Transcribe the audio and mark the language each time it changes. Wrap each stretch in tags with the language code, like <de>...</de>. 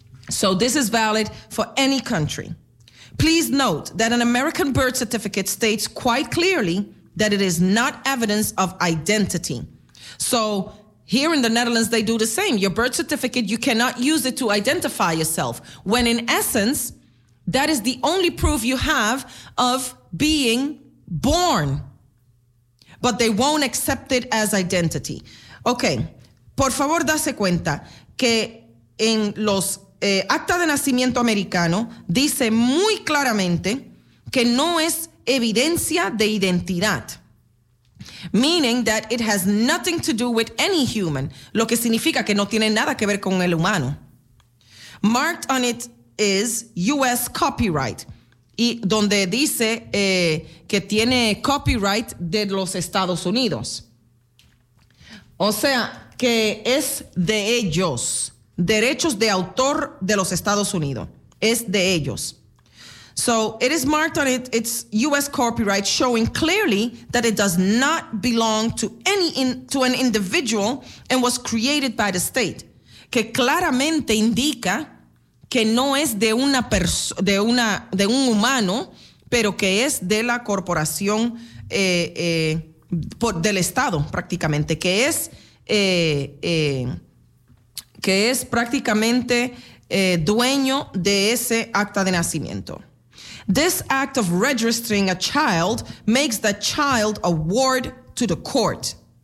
<en>So this is valid for any country. Please note that an American birth certificate states quite clearly that it is not evidence of identity. So here in the Netherlands, they do the same. Your birth certificate, you cannot use it to identify yourself, when in essence, that is the only proof you have of being born. But they won't accept it as identity. Okay.</en> <es>Por favor, dase cuenta que en los acta de nacimiento americano dice muy claramente que no es evidencia de identidad.</es> <en>Meaning that it has nothing to do with any human,</en> <es>lo que significa que no tiene nada que ver con el humano.</es> <en>Marked on it is U.S. copyright,</en> <es>y donde dice que tiene copyright de los Estados Unidos. O sea, que es de ellos. Derechos de autor de los Estados Unidos. Es de ellos.</es> <en>So it is marked on it, it's U.S. copyright, showing clearly that it does not belong to an individual and was created by the state.</en> <es>Que claramente indica que no es de una de un humano, pero que es de la corporación del Estado, prácticamente. Que es que es prácticamente dueño de ese acta de nacimiento.</es> <en>This act of registering a child makes the child a ward to the court.</en>